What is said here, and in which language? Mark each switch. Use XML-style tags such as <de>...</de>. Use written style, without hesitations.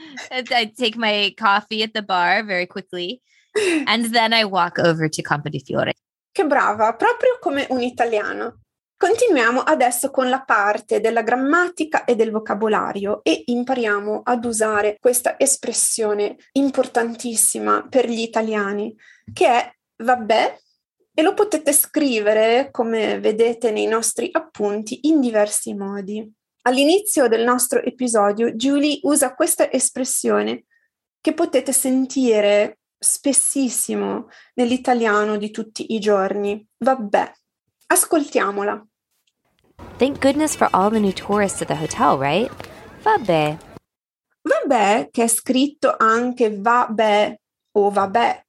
<en>I take my coffee at the bar very quickly, and then I walk over to Campo dei Fiori.</en> <it>Che brava, proprio come un italiano. Continuiamo adesso con la parte della grammatica e del vocabolario e impariamo ad usare questa espressione importantissima per gli italiani, che è vabbè, e lo potete scrivere, come vedete nei nostri appunti, in diversi modi. All'inizio del nostro episodio, Julie usa questa espressione che potete sentire spessissimo nell'italiano di tutti i giorni. Vabbè. Ascoltiamola.</it> <en>Thank goodness for all the new tourists at the hotel, right?</en> <it>Vabbè. Vabbè, che è scritto anche vabbè o vabbè,</it>